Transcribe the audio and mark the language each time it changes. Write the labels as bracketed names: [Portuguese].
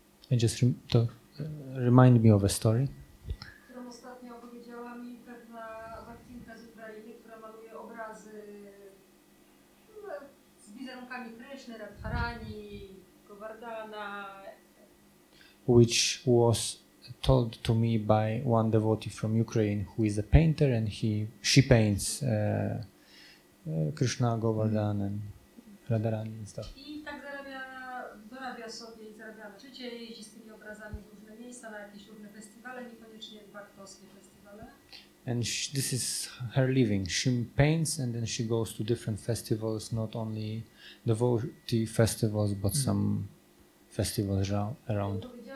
[English] And just to remind me of a story. [Polish] Którą ostatnio opowiedziała mi pewna baktinka z Ukrainy, która maluje obrazy z Krishna, Radharani, Govardhana, [English] which was told to me by one devotee from Ukraine who is a painter, and she paints Krishna, Govardhana, mm-hmm. and Radharani and stuff. [Polish] I tak dorabia sobie i zarabia na życie, jeździ z tymi obrazami w różne miejsca, na jakieś różne festiwale, niekoniecznie bhaktowskie festiwale. [English] And this is her living. She paints and then she goes to different festivals, not only devotee festivals, but some festivals around.